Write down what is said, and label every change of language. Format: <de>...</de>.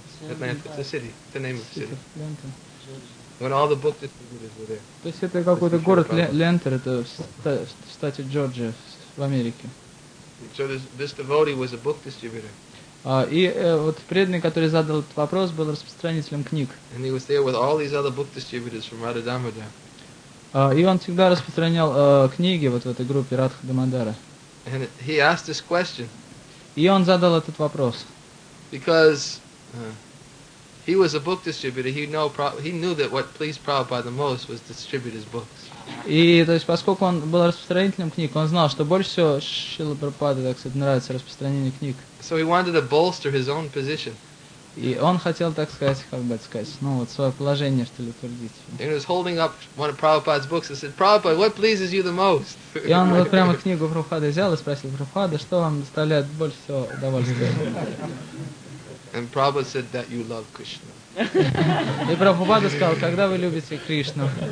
<en>Atlanta, it's a city, the name of the city. When all the book distributors were there.</en> <ru>То есть это какой-то город Лентер, это в штате Джорджия, в Америке.</ru> <en>So this devotee was a book distributor.</en> <ru>И вот преданный, который задал этот вопрос, был распространителем книг.</ru> <en>And he was there with all these other book distributors from Radha Damodara.</en> <ru>И он всегда распространял книги вот в этой группе Радха Дамодара.</ru> <en>And he asked this question.</en> <ru>И он задал этот вопрос.</ru> <en>Because he was a book distributor. He knew that what pleased Prabhupada the most was distribute his books.</en> <ru>И то есть, поскольку он был распространителем книг, он знал, что больше всего Шрилу Прабхупаде, так сказать, нравится распространение книг.</ru> <en>So he wanted to bolster his own position.</en> <ru>И он хотел, так сказать, как бы сказать, ну вот свое положение что ли утвердить.</ru> <en>And he was holding up one of Prabhupada's books and said, "Prabhupada, what pleases you the most?"</en> <ru>И он вот прямо книгу Прабхупады взял и спросил Прабхупада, что вам доставляет больше всего удовольствия.</ru> <en>And Prabhupada said that you love Krishna.</en> <ru>И Прабхупада сказал, когда вы любите Кришну.</ru>